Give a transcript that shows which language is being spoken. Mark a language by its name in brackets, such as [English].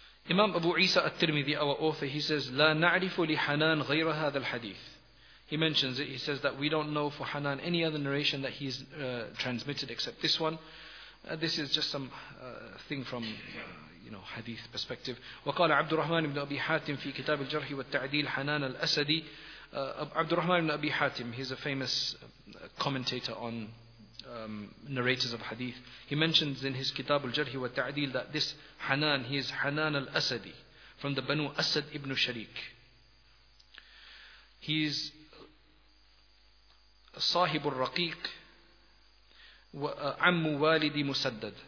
[English] Imam Abu Isa al-Tirmidhi, our author, he says, [Arabic] لا نعرف لحنان غير هذا الحديث. [English] He mentions it, he says that we don't know for Hanan any other narration that he's transmitted except this one. This is just some thing from, you know, hadith perspective. [Arabic] وقال عبد الرحمن بن أبي حاتم في كتاب الجرح والتعديل حنان الأسدي. [English] عبد الرحمن بن أبي حاتم, he's a famous commentator on narrators of hadith. He mentions in his kitab al-jarh wa ta'dil that this Hanan, he is Hanan al-Asadi from the Banu Asad ibn Shariq. He is Sahib al-Raqiq Ammu Walidi Musaddad.